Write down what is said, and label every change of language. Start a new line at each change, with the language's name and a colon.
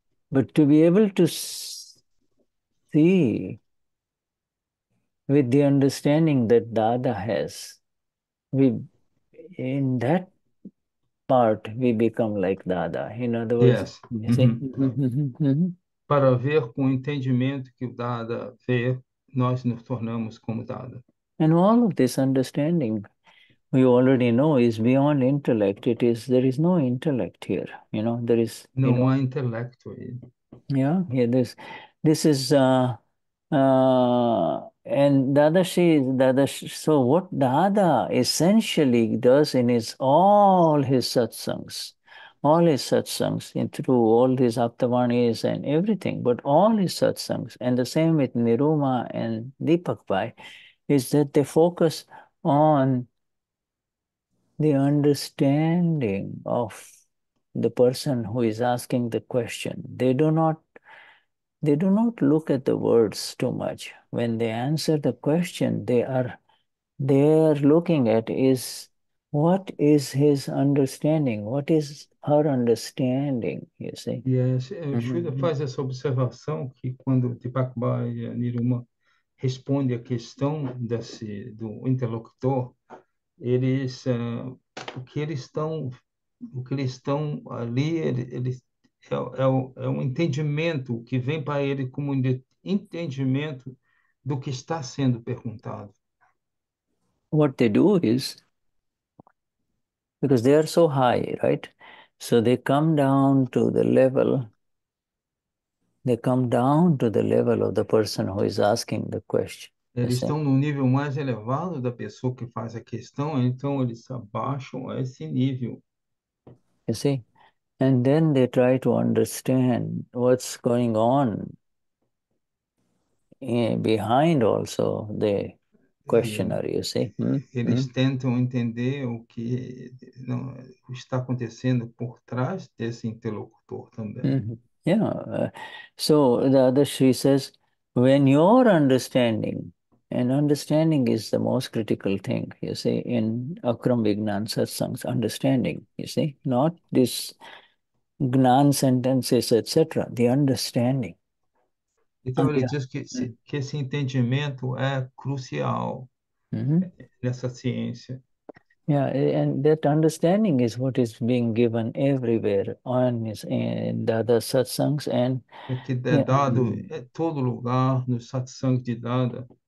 English: But to be able to see with the understanding that Dada has, we in that part we become like Dada. In other words, yes. you see?
Portuguese: Para ver com o entendimento que o Dada vê, nós nos tornamos como Dada.
English: And all of this understanding, we already know, is beyond intellect. It is, there is no intellect here. You know, there is, you
Portuguese: Não
English: know.
Portuguese: há intelecto aí.
English: Yeah, yeah. This is and Dadashi. So what Dada essentially does in his all his satsangs, in through all these aptavanis and everything, but all his satsangs, and the same with Niruma and Deepak Bhai, is that they focus on the understanding of the person who is asking the question. They do not look at the words too much. When they answer the question, they are looking at is what is his understanding, what is her understanding, you see.
Portuguese: Yes, o Shuddha faz essa observação que quando Deepak Bhai e Niruma respondem a questão do interlocutor, o que eles estão ali, é um entendimento que vem para ele como um entendimento do que está sendo perguntado.
English: What they do is, because they are so high, right? So they come down to the level. They come down to the level of the person who is asking the question.
Portuguese: Eles estão no nível mais elevado da pessoa que faz a questão, então eles abaixam a esse nível.
English: You see? And then they try to understand what's going on behind also the questioner, you see?
Portuguese: Eles tentam entender o que não está acontecendo por trás desse interlocutor também.
English: Yeah, so the other Sri says, when your understanding, and understanding is the most critical thing, you see, in Akram Vignan satsangs, understanding, you see, not this gnan sentences, etc., the understanding.
Portuguese: Então, ele diz que esse entendimento é crucial nessa ciência.
English: Yeah, and that understanding is what is being given everywhere on the other satsangs and
Portuguese: é que é dado em todo lugar no satsang de Dada.